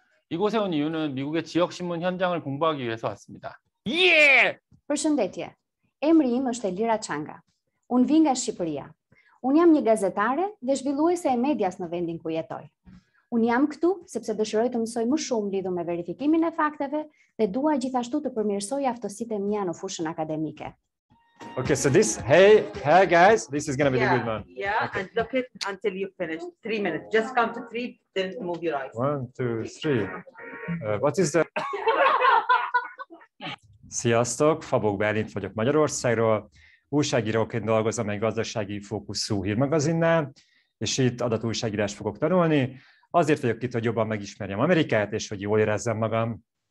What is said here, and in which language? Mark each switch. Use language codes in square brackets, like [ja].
[ko] 이곳에 온 이유는 미국의 지역 신문 현장을 공부하기 위해서 왔습니다. 예! [sq] përshëndetje. Emri im është Elira Çanga. Unë vinë nga Shqipëria. Unë jam një gazetare dhe zhvilluese e medias në vendin ku jetoj. Unë jam këtu sepse dëshiroj të mësoj më shumë lidhur me verifikimin e fakteve dhe dua gjithashtu të përmirësoj aftësitë e mia në fushën akademike. [en] Okay, so this, hey guys, this is going to be yeah, the good one. Yeah, okay. And look it until you finish. 3 minutes. Just count to three, then move your eyes. One, two, three. What is the... [hu] Sziasztok, Fabok Bálint vagyok Magyarországról. Újságíróként dolgozom egy gazdasági fókuszú hírmagazinnál, és itt adatújságírást fogok tanulni. Azért vagyok itt, hogy jobban megismerjem Amerikát, és hogy jól érezzem magam.